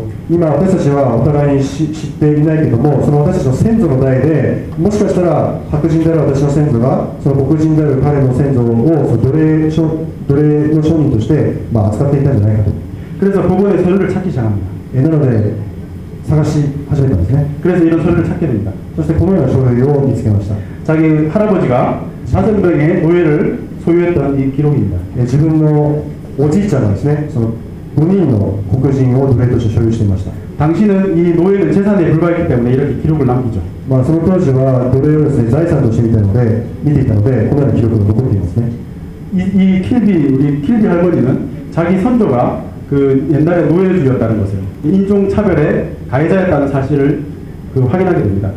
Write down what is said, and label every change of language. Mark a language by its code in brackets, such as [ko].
[ja] 今私たちはお互いに知っていないけどもその私たちの先祖の代でもしかしたら白人である私の先祖がその黒人である彼の先祖をその奴隷の商人として、まあ、扱っていたんじゃないかと [ko] 그래서 [ja] ここで書類を [ko] 찾기시작합니다 [ja] なので探し始めたんですね [ko] 그래서이런書類を찾게됩니다 [ja] そしてこのような書類を見つけました [ko] 자기할아버지가자손들의노예를소유했던이기록입니다 [ja] 自分のおじいちゃんがですねその5人の黒人を奴隷として所有していました [ko] 당신은이노예는재산에불과했기때문에이렇게기록을남기죠 [ja] まあその当時は奴隷をですね財産として見ていたので見ていたのでこのような記録が残っていますね [ko] 이킬비우리킬비할머니는자기선조가그옛날에노예주였다는것을인종차별의가해자였다는사실을그확인하게됩니다